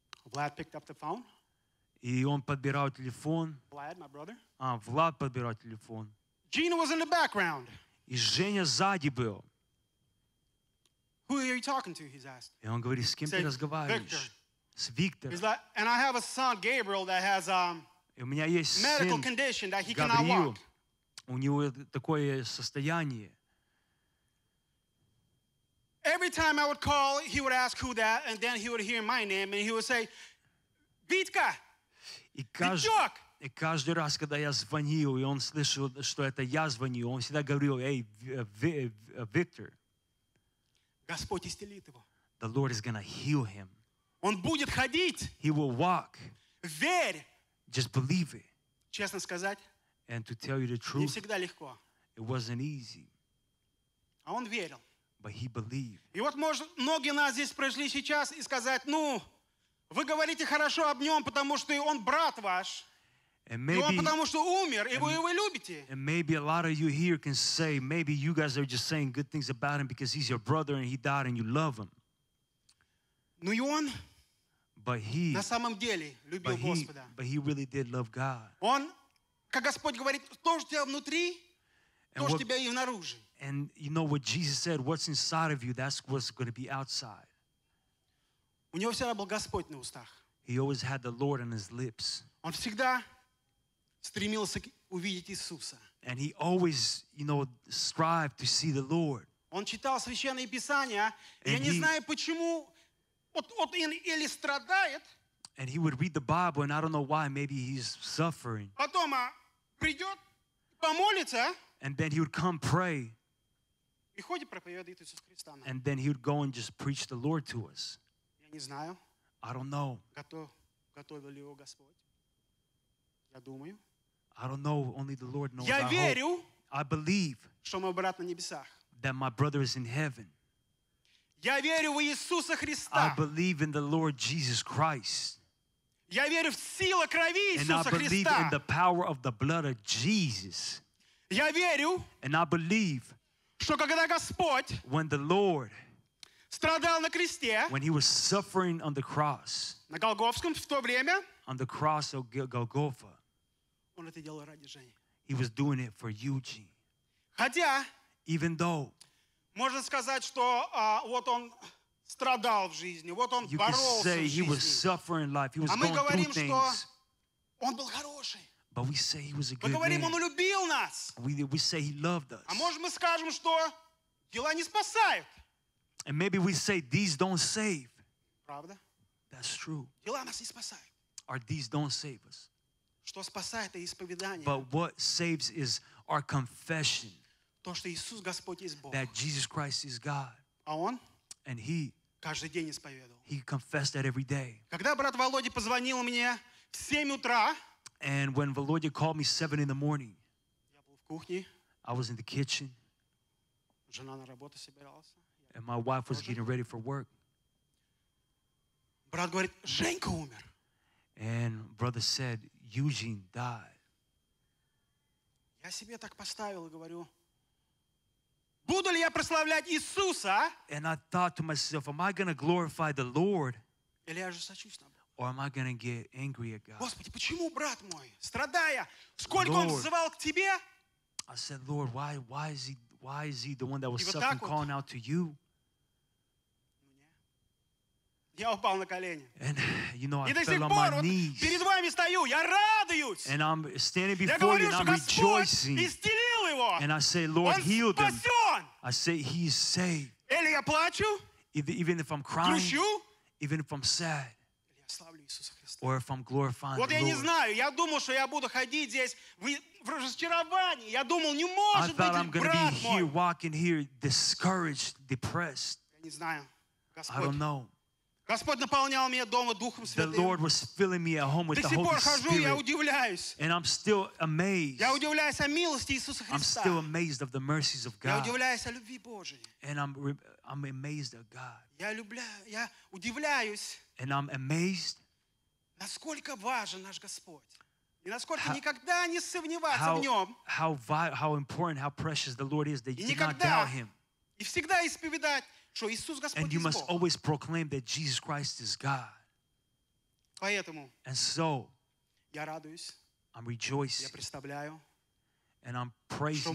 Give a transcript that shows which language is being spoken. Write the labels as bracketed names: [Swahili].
[English] Vlad picked up the phone. [Russian] И он подбирал телефон. [English] Vlad, my brother. [Russian] А, Влад подбирал телефон. [English] Gina was in the background. [Russian] И Женя сзади был. [English] Who are you talking to, he's asked. [Russian] И он говорит, с кем ты разговариваешь? [English] Victor. [Russian] С Виктором. [English] He's like, and I have a son, Gabriel, that has medical condition that he cannot walk. [Russian] У него такое состояние. [English] Every time I would call, he would ask who that, and then he would hear my name, and he would say, Витька! [Russian] И каждый раз, когда я звонил, и он слышал, что это я звонил, он всегда говорил, эй, Виктор. Господь исцелит его. [English] The Lord is gonna heal him. [Russian] Он будет ходить. [English] He will walk. [Russian] Верь. [English] Just believe it. [Russian] Честно сказать. [English] And to tell you the truth. [Russian] Не всегда легко. [English] It wasn't easy. [Russian] А он верил. [English] But he believed. [Russian] И вот, может, многие нас здесь пришли сейчас и сказать, ну... Вы говорите хорошо об нем, потому что он брат ваш. [English] Maybe, [Russian] и он потому что умер, и вы его любите. [English] And maybe a lot of you here can say, maybe you guys are just saying good things about him because he's your brother and he died and you love him. [Russian] Ну и он [English] but he, [Russian] на самом деле любил [English] but he, [Russian] Господа. [English] But he really did love God. [Russian] Он, как Господь говорит, то, что у тебя внутри, and то, что у тебя и внаружи. [English] And you know what Jesus said, what's inside of you, that's what's going to be outside. [Russian] У него всегда был Господь на устах. [English] He always had the Lord on his lips. [Russian] Он всегда стремился увидеть Иисуса. [English] And he always, you know, strived to see the Lord. [Russian] Он читал Священные Писания. Я не знаю, почему вот он или страдает. [English] And he would read the Bible, and I don't know why, maybe he's suffering. [Russian] Потом придет, помолится. [English] And then he would come pray. [Russian] И ходит проповедует Иисуса Христа. [English] And then he would go and just preach the Lord to us. [Russian] Не знаю. [English] I don't know. [Russian] Готовил ли его Господь? Я думаю. [English] I don't know. Only the Lord knows. [Russian] Я верю. [English] I believe. [Russian] Что мой брат на небесах. [English] That my brother is in heaven. [Russian] Я верю в Иисуса Христа. [English] I believe in the Lord Jesus Christ. [Russian] Я верю в силу крови Иисуса Христа. [English] And I believe in the power of the blood of Jesus. [Russian] Я верю. [English] And I believe. [Russian] Что когда Господь. [English] When the Lord. [Russian] Страдал на кресте. [English] When he was suffering on the cross. [Russian] На Голгофском в то время. [English] On the cross of Golgotha. [Russian] Он это делал ради Жени. [English] He was doing it for Eugene. [Russian] Хотя. [English] Even though. [Russian] Можно сказать, что вот он страдал в жизни. Вот он боролся в жизни. [English] You could say he was suffering life. He was going through things. [Russian] А мы говорим, что он был хороший. [English] But we say he was a good [Russian] man. Мы говорим, он любил нас. [English] We say he loved us. [Russian] А может, мы скажем, что дела не спасают. [English] And maybe we say, these don't save. [Russian] Правда? [English] That's true. [Russian] Дела нас не спасают. [English] Or these don't save us. [Russian] Что спасает, это исповедание. [English] But what saves is our confession. [Russian] То, что Иисус Господь есть Бог. [English] That Jesus Christ is God. [Russian] А он? [English] And he. [Russian] Каждый день исповедовал. [English] He confessed that every day. [Russian] Когда брат Володя позвонил мне в 7 утра. [English] And when Володя called me 7 in the morning. [Russian] Я был в кухне. [English] I was in the kitchen. [Russian] Жена на работу собиралась. [English] And my wife was getting ready for work. [Russian] Брат говорит, Женька умер. [English] And brother said, Eugene died. [Russian] Я себе так поставил и говорю, Буду ли я прославлять Иисуса? [English] And I thought to myself, am I going to glorify the Lord? [Russian] Или я же сочусь на [English] Бога? Or am I going to get angry at God? [Russian] Господи, почему, брат мой, страдая, сколько Lord, он взывал к тебе? [English] I said, Lord, why is he the one that was suffering, вот calling out to you? [Russian] Я упал на колени. [English] And, you know, I fell on my knees. [Russian] Перед вами стою, я радуюсь. [English] And I'm standing before you, and I'm rejoicing. [Russian] Исцелил его. [English] And I say, Lord, heal them. [Russian] Он спасен. [English] I say, he is saved. [Russian] Или я плачу. [English] Even if I'm crying. [Russian] Грущу. [English] Even if I'm sad. [Russian] Или я славлю Иисуса Христа. [English] Or if I'm glorifying [Russian] вот [English] the Lord. [Russian] Вот я не знаю, я думал, что я буду ходить здесь в разочаровании. Я думал, не может быть, брат мой. [English] I'm going to be here, walking here, discouraged, depressed. [Russian] Я не знаю. [English] I don't know. [Russian] Господь наполнял меня дома Духом Святым. [English] The Lord was filling me at home with the Holy Spirit. [Russian] До сих пор хожу, я удивляюсь. [English] And I'm still amazed. [Russian] Я удивляюсь о милости Иисуса Христа. [English] I'm still amazed of the mercies of God. [Russian] Я удивляюсь о любви Божьей. [English] And I'm amazed at God. [Russian] Я удивляюсь. [English] And I'm amazed. [Russian] Насколько важен наш Господь. И насколько никогда не сомневаться в Нем. [English] How important, how precious the Lord is, that you cannot doubt Him. [Russian] И всегда исповедать. [English] And you must always proclaim that Jesus Christ is God. And so, I'm rejoicing. And I'm praising